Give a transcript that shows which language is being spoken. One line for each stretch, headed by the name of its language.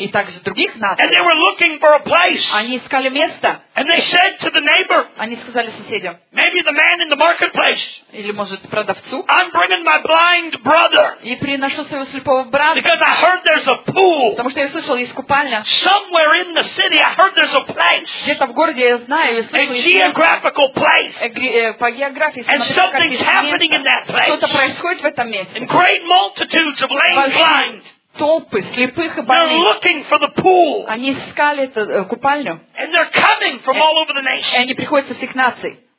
Russian: И также других наций.
English: And they were looking for a place.
Russian: Они искали место.
English: And they said to the neighbor.
Russian: Они сказали соседям.
English: Maybe the man in the marketplace.
Russian: Или может продавцу.
English: I'm bringing my blind brother.
Russian: И приношу своего слепого брата.
English: Because I heard there's a pool.
Russian: Потому что я слышал, есть купальня.
English: Somewhere in the city, I heard there's a place.
Russian: Где-то в городе я знаю, я слышал, есть
English: geographical place.
Russian: По географии.
English: And something's happening in that place.
Russian: Что-то происходит в этом месте.
English: And great multitudes of lame blind.
Russian: Толпы слепых и больных. Они искали эту купальню. И они приходят со всех наций.